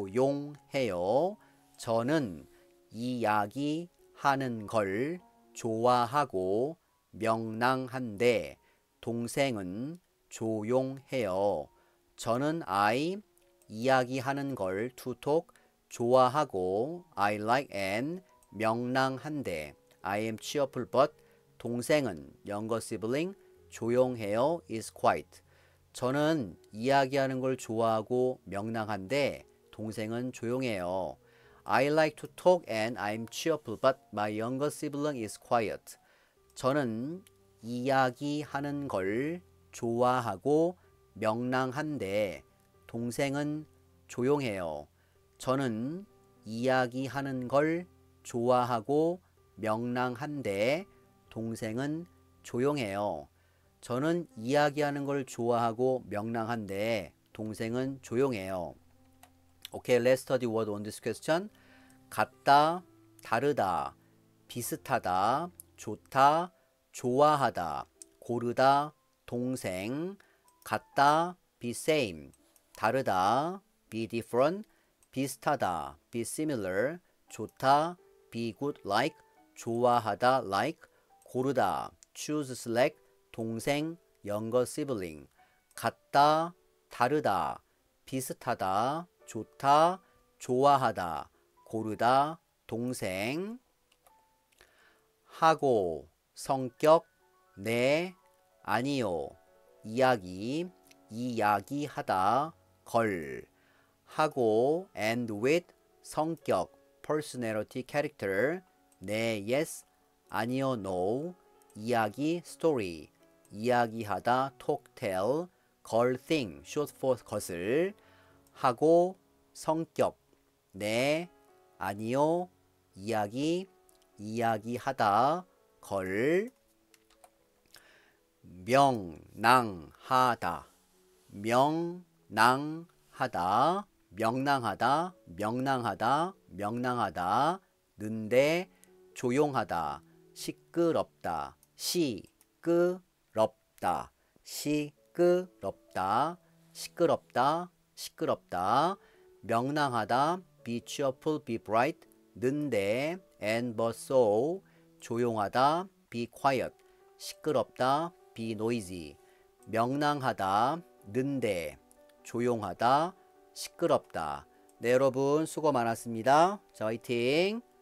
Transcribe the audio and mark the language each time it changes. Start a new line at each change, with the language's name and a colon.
Korean: 조용해요. 저는 이야기하는 걸 좋아하고 명랑한데 동생은 조용해요. 저는
English: I
Korean: 이야기하는 걸
English: to talk
Korean: 좋아하고
English: I like and
Korean: 명랑한데
English: I am cheerful but
Korean: 동생은
English: younger sibling
Korean: 조용해요
English: is quiet.
Korean: 저는 이야기하는 걸 좋아하고 명랑한데 동생은 조용해요.
English: I like to talk and I'm cheerful, but my younger sibling is quiet.
Korean: 저는 이야기하는 걸 좋아하고 명랑한데 동생은 조용해요. 저는 이야기하는 걸 좋아하고 명랑한데 동생은 조용해요. 저는 이야기하는 걸 좋아하고 명랑한데 동생은 조용해요.
English: Okay, let's study word on this question.
Korean: 같다, 다르다, 비슷하다, 좋다, 좋아하다, 고르다, 동생, 같다,
English: be same,
Korean: 다르다,
English: be different,
Korean: 비슷하다,
English: be similar,
Korean: 좋다,
English: be good, like,
Korean: 좋아하다, like, 고르다,
English: choose, select,
Korean: 동생,
English: younger sibling,
Korean: 같다, 다르다, 비슷하다, 좋다, 좋아하다, 고르다, 동생. 하고, 성격, 네, 아니요. 이야기, 이야기하다, 걸.
English: 하고, and with, 성격, personality, character, 네, yes, 아니요, no. 이야기, story, 이야기하다, talk, tell, 걸, thing, short for 것을.
Korean: 하고, 성격, 네, 아니요, 이야기, 이야기하다, 걸. 명랑하다. 명랑하다. 명랑하다. 명랑하다. 명랑하다. 는데 조용하다. 시끄럽다. 시끄럽다. 시끄럽다. 시끄럽다. 시끄럽다. 명랑하다.
English: Be cheerful, be bright. 는데 and but so 조용하다. Be quiet. 시끄럽다. Be noisy.
Korean: 명랑하다. 는데 조용하다. 시끄럽다. 네, 여러분 수고 많았습니다. 자, 화이팅!